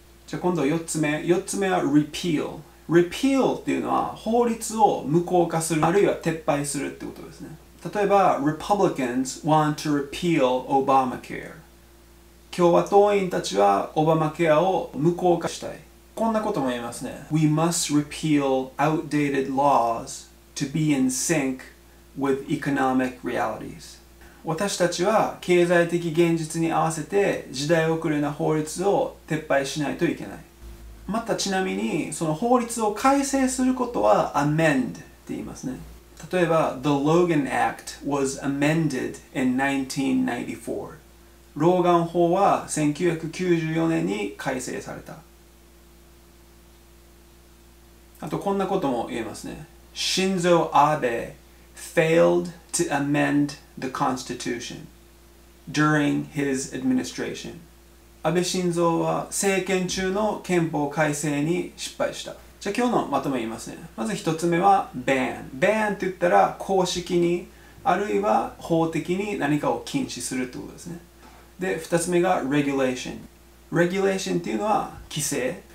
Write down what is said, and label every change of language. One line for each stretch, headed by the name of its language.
Japanese: じゃあ今度4つ目は repeal。repeal っていうのは法律を無効化する、あるいは撤廃するってことですね。例えば、
English: Republicans want to repeal Obamacare。
Japanese: 共和党員たちはオバマケアを無効化したい。こんなことも言いますね。
English: We must repeal outdated laws to be in sync with economic realities。
Japanese: 私たちは経済的現実に合わせて時代遅れな法律を撤廃しないといけない。またちなみに、その法律を改正することは amend って言いますね。例えば、
English: The Logan Act was amended in 1994。
Japanese: ローガン法は1994年に改正された。あとこんなことも言えますね。
English: Shinzo Abe failed to amend the Constitution during his administration。
Japanese: 安倍晋三は政権中の憲法改正に失敗した。じゃあ今日のまとめ言いますね。まず一つ目は ban。ban って言ったら公式に、あるいは法的に何かを禁止するってことですね。で、二つ目が regulation。regulation っていうのは規制。